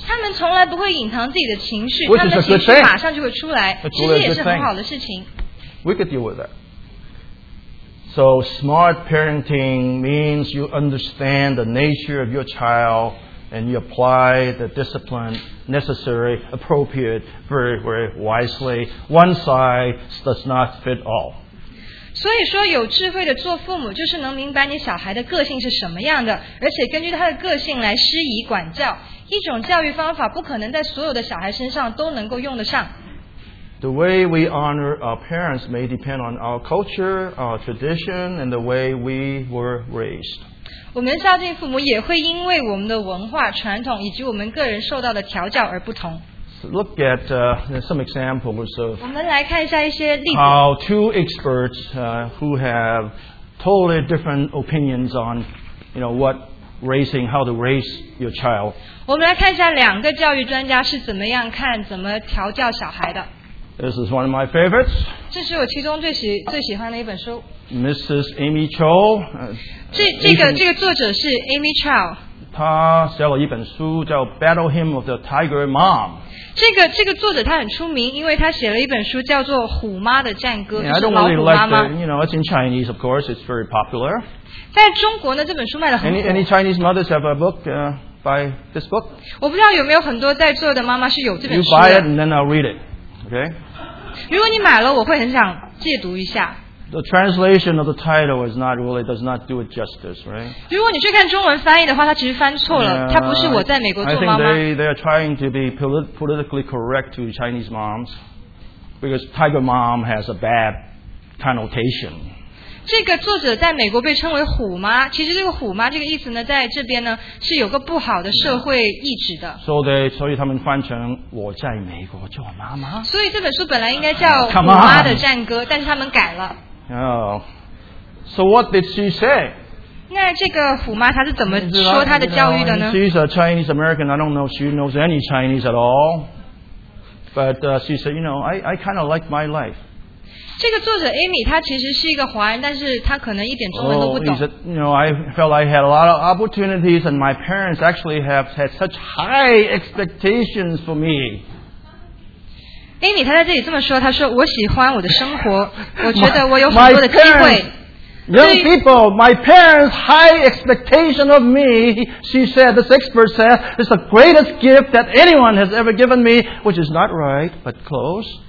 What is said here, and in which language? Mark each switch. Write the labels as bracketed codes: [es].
[en] Which is a good thing. We could deal with that. So smart parenting means you understand the nature of your child and you apply the discipline necessary, appropriate, very, very wisely. One size does not fit all. [zh] 所以说有智慧的做父母，就是能明白你小孩的个性是什么样的，而且根据他的个性来施以管教。一种教育方法不可能在所有的小孩身上都能够用得上。 [en] The way we honor our parents may depend on our culture, our tradition, and the way we were raised. [zh] 我们孝敬父母也会因为我们的文化传统以及我们个人受到的调教而不同。 [en] Look at some examples of [zh] 我们来看一下一些例子。 [en] How two experts who have totally different opinions on, you know, what raising, how to raise your child. [zh] 我们来看一下两个教育专家是怎么样看怎么调教小孩的。 [en] This is one of my favorites. [zh] 这是我其中最喜欢的一本书。 [en] Mrs. Amy Cho. [zh] 这个作者是 Amy Chow。他写了一本书叫 Battle Hymn of the Tiger Mom。这个作者他很出名，因为他写了一本书叫做《虎妈的战歌》，就是老虎妈妈。 [en] Yeah, I don't really like it. You know, it's in Chinese, of course. It's very popular. [zh] 在中国呢，这本书卖得很火。 [en] Any Chinese mothers have a book by this book? [zh] 我不知道有没有很多在座的妈妈是有这本书的。 [en] You buy it and then I'll read it. Okay. [zh] 如果你买了，我会很想借读一下。 [en] The translation of the title is not really does not do it justice, right? [zh] 如果你去看中文翻译的话，它其实翻错了。它不是我在美国做妈妈。 [en] I think they are trying to be politically correct to Chinese moms because Tiger Mom has a bad connotation. [zh] 这个作者在美国被称为虎妈，其实这个虎妈这个意思呢，在这边呢是有个不好的社会意志的。所以他们翻成我在美国做妈妈。所以这本书本来应该叫虎妈的战歌，但是他们改了。 [en] So what did she say? [zh] 那这个虎妈她是怎么说她的教育的呢？ [en] She's a Chinese American. I don't know if she knows any Chinese at all. But she said, you know, I kind of like my life. [zh] 这个作者 Amy 她其实是一个华人，但是她可能一点中文都不懂。 [en] Oh, she said, you know, I felt I had a lot of opportunities and my parents actually have had such high expectations for me. [zh] Amy 她在这里这么说，她说我喜欢我的生活，我觉得我有很多的机会。 [en] Young people, my parents high expectation of me, she said, this expert said, is the greatest gift that anyone has ever given me, which is not right, but close.